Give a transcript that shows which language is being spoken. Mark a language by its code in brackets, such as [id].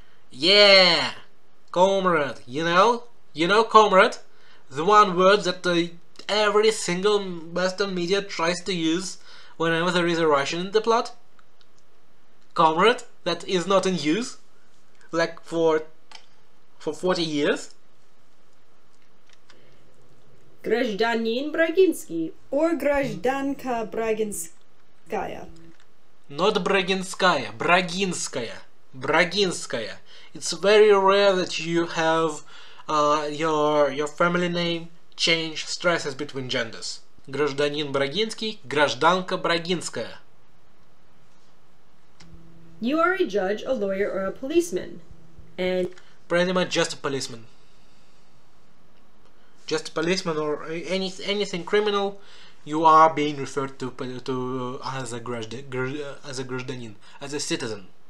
[en] Yeah, comrade, you know comrade, the one word that every single Western media tries to use whenever there is a Russian in the plot. Comrade, that is not in use like for 40 years. [ru] Гражданин Брагинский or гражданка Брагинская? Not Брагинская, Брагинская, Брагинская. [en] It's very rare that you have your family name change stresses between genders. [ru] Гражданин Брагинский, гражданка Брагинская. [en] You are a judge, a lawyer, or a policeman, and pretty much just a policeman. Just a policeman or anything criminal, you are being referred to as a гражданин, as a citizen.